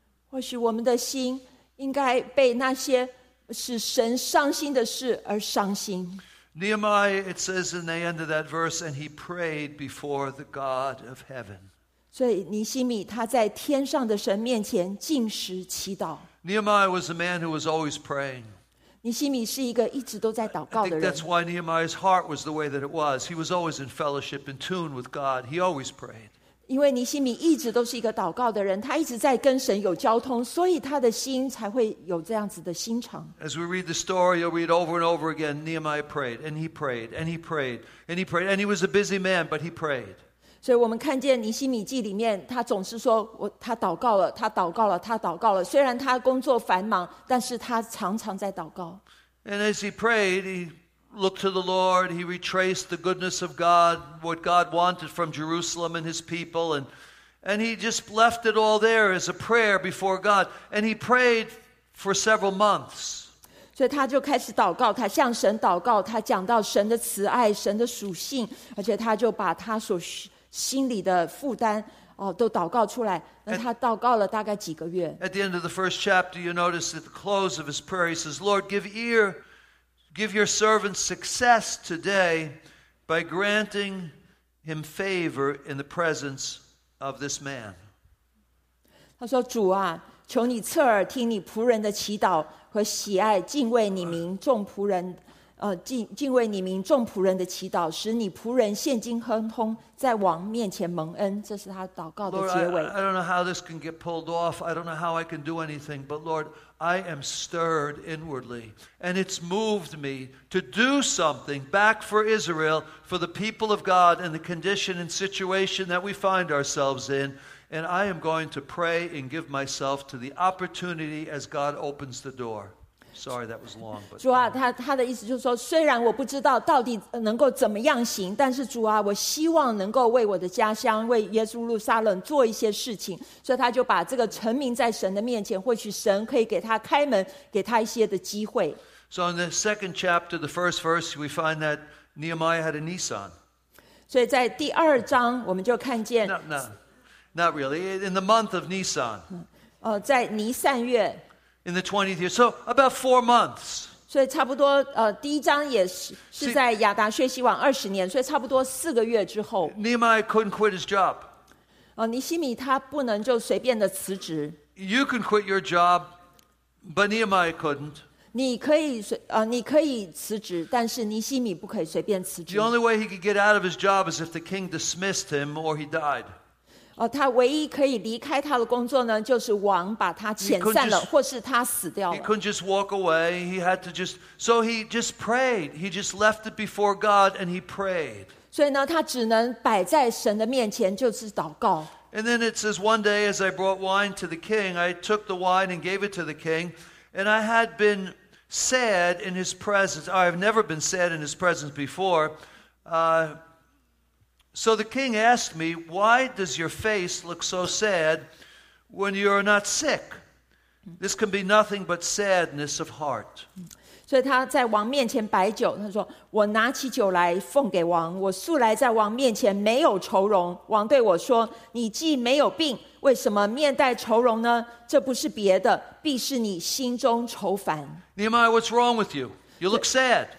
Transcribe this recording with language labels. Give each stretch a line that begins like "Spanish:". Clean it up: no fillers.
Chinese: 或许我们的心应该被那些使神伤心的事而伤心。
English: Nehemiah, it says in the end of that verse, and he prayed before the God of heaven.
Chinese: 所以尼希米他在天上的神面前进食祈祷。
English: Nehemiah was a man who was always praying.
Chinese: 尼希米是一个一直都在祷告的人。
English: I think that's why Nehemiah's heart was the way that it was. He was always in fellowship, in tune with God. He always prayed.
Chinese: 因为尼希米一直都是一个祷告的人，他一直在跟神有交通，所以他的心才会有这样子的心肠。
English: As we read the story, you'll read over and over again, Nehemiah prayed, and he prayed, and he prayed, and he prayed, and he was a busy man, but he prayed.
Chinese: 所以我们看见尼希米记里面，他总是说，他祷告了，他祷告了，他祷告了。虽然他工作繁忙，但是他常常在祷告。
English: And as he prayed, he Look to the Lord, he retraced the goodness of God, what God wanted from Jerusalem and his people, and he just left it all there as a prayer before God. And he prayed for several months.
Chinese: 所以他就开始祷告，他向神祷告，他讲到神的慈爱，神的属性，而且他就把他所心里的负担都祷告出来。那他祷告了大概几个月。
English: At the end of the first chapter, you notice at the close of his prayer, he says, Lord, give ear. Give your servant success today by granting him favor in the presence of this man.
Chinese: 他说主啊求你侧耳听你仆人的祈祷和喜爱敬畏你名众仆人敬畏你名众仆人的祈祷使你仆人现今亨通在王面前蒙恩这是他祷告的结尾。
English: Lord, I don't know how this can get pulled off. I don't know how I can do anything, but Lord,I am stirred inwardly, and it's moved me to do something back for Israel, for the people of God, and the condition and situation that we find ourselves in. And I am going to pray and give myself to the opportunity as God opens the door. Sorry, that was long. But
Chinese: 主啊，他的意思就是说，虽然我不知道到底能够怎么样行，但是主啊，我希望能够为我的家乡，为耶路撒冷做一些事情。所以他就把这个陈明在神的面前，或许神可以给他开门，给他一些的机会。
English: So in the second chapter, the first verse, we find that Nehemiah had a Nisan.
Chinese: 所以在第二章，我们就看见。
English: Not really. In the month of Nisan.
Chinese: 在尼散月。
English: In the 20th year, so about 4 months.
Chinese: 所以差不多第一章也是在亚达薛西王二十年，所以差不多四个月之后。
English: Nehemiah couldn't quit his job.
Chinese: 尼希米他不能就随便的辞职。
English: You can quit your job, but Nehemiah couldn't.
Chinese: 你可以辞职，但是尼希米不可以随便辞职。
English: The only way he could get out of his job is if the king dismissed him or he died.
Chinese: 他唯一可以离开他的工作呢，就是王把他遣散了，或是他死掉了。
English: He couldn't just walk away. He had to just. So he just prayed. He just left it before God and he prayed.
Chinese: 所以呢，他只能摆在神的面前，就是祷告。
English: And then it says, one day as I brought wine to the king, I took the wine and gave it to the king, and I had been sad in his presence. I have never been sad in his presence before. So the king asked me, why does your face look so sad when you are not sick? This can be nothing but sadness of heart.
Chinese: 所以他在王面前摆酒，他说，我拿起酒来奉给王，我素来在王面前没有愁容。王对我说，你既没有病，为什么面带愁容呢？这不是别的，必是你心中愁烦。
English: Nehemiah, what's wrong with you? You look sad.